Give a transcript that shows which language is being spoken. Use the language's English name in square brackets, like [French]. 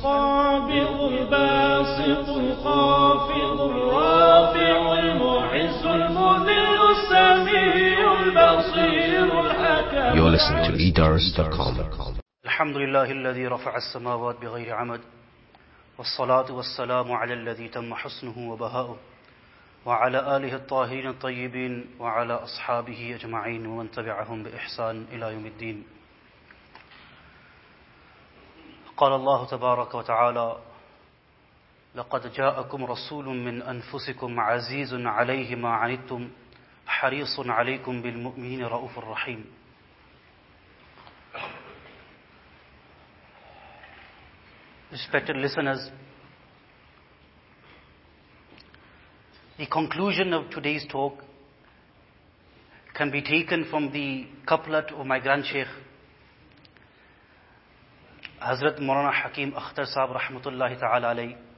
[English] You're listening to Leaders.com. [Arabic] Alhamdulillah, الذي رفع السماوات بغير عمد والصلاة والسلام على الذي تم حسنه وبهاؤه وعلى آله الطاهرين الطيبين وعلى أصحابه أجمعين ومن تبعهم بإحسان إلى يوم الدين. قال الله تبارك وتعالى: لقد جاءكم رسول من أنفسكم عزيز عليه ما عنتم حريص عليكم بالمؤمنين رؤوف رحيم. [English] Respected listeners, the conclusion of today's talk can be taken from the couplet of my grand sheikh, Hazrat Maulana Hakim Akhtar Sahib Rahmatullahi Ta'ala Alayhi.